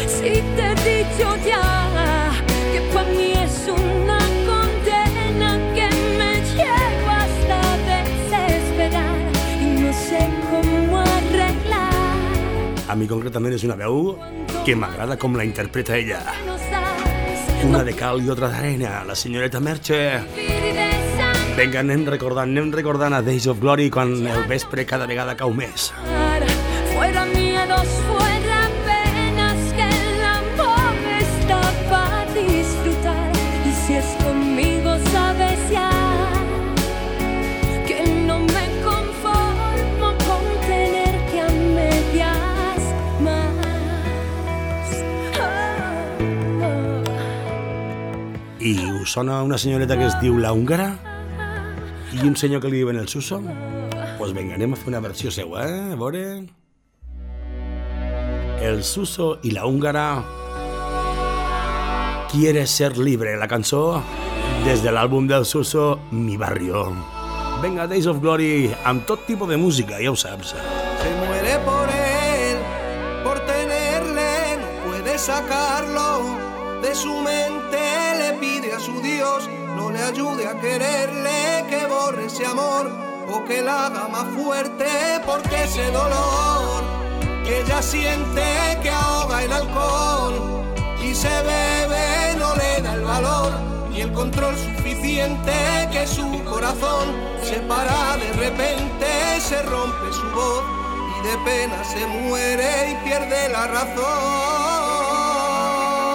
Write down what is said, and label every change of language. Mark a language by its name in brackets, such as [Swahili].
[Spanish] Si te he dicho ya que para mí es una condena que me llevo hasta desesperar y no sé cómo arreglar. A mí concretamente es una [Catalan] veu [Spanish] que me agrada como la interpreta ella. [Catalan] Una de cal i [Spanish] otra [Catalan] d'arena, la senyoreta Merche. Vinga, anem recordant a Days of Glory quan el vespre cada vegada cau més. [Spanish] Fuera miedos, fuera penas, que el amor está pa' disfrutar. Y si es conmigo sabes ya que no me conformo con tener que a medias más. [Catalan] I us sona una senyoreta que es diu La Húngara? I un senyor que li diuen el Suso? Doncs [Spanish] pues [Catalan] vinga, anem a fer una versió seua, eh? A veure... El Suso i La Húngara... Quieres ser libre, la cançó... Des de l'àlbum del Suso, Mi Barrio. Vinga, Days of Glory, amb tot tipus de música, ja ho saps. [Spanish] Se muere por él, por tenerle, no puede sacarlo de su mente, le pide a su Dios... No le ayude a quererle, que borre ese amor o que la haga más fuerte, porque ese dolor que ella siente que ahoga el alcohol y se bebe no le da el valor ni el control suficiente, que su corazón se para de repente, se rompe su voz y de pena se muere y pierde la razón.